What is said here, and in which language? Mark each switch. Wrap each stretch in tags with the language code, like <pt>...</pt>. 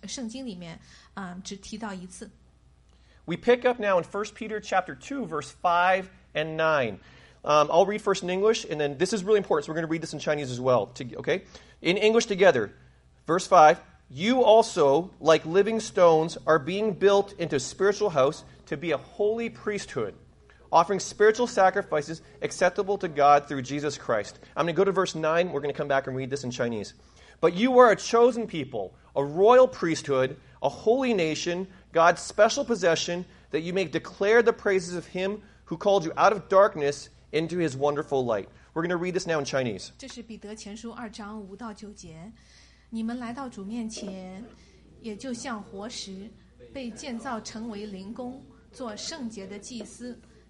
<zh>在北美有成千上万的教会和牧师，而在圣经里面只提到一次。</zh> <en>We pick up now in 1 Peter chapter 2, verse 5 and 9. I'll read first in English, and then this is really important, so we're going to read this in Chinese as well. Okay? In English together, verse 5, you also, like living stones, are being built into a spiritual house to be a holy priesthood, offering spiritual sacrifices acceptable to God through Jesus Christ. I'm going to go to verse 9. We're going to come back and read this in Chinese. But you are a chosen people, a royal priesthood, a holy nation, God's special possession, that you may declare the praises of him who called you out of darkness into his wonderful light. We're going to read this now in Chinese.</en> <zh>这是彼得前书2章5到9节。你们来到主面前，也就像活石，被建造成为灵宫，做圣洁的祭司。</zh>